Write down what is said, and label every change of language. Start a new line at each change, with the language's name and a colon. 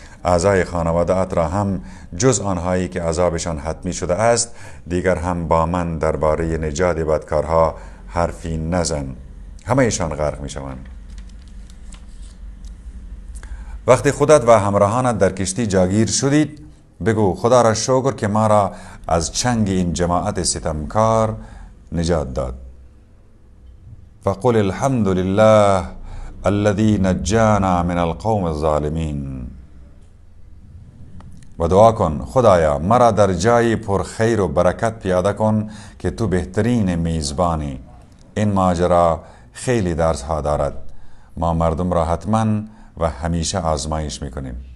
Persian: اعضای خانواده ات را هم جز آنهایی که عذابشان حتمی شده است دیگر هم با من درباره نجات بدکارها حرفی نزن. همه ایشان غرق می شوند. وقتی خودت و همراهانت در کشتی جاگیر شدید، بگو خدا را شکر که ما را از چنگ این جماعت ستمکار نجات داد.
Arabic: فقل الحمد لله الذي نجانا من القوم الظالمين.
Persian: و دعا کن خدایا مرا در جای پر خیر و برکت پیاده کن که تو بهترین میزبانی. این ماجرا خیلی درس ها دارد. ما مردم را حتما و همیشه آزمایش میکنیم.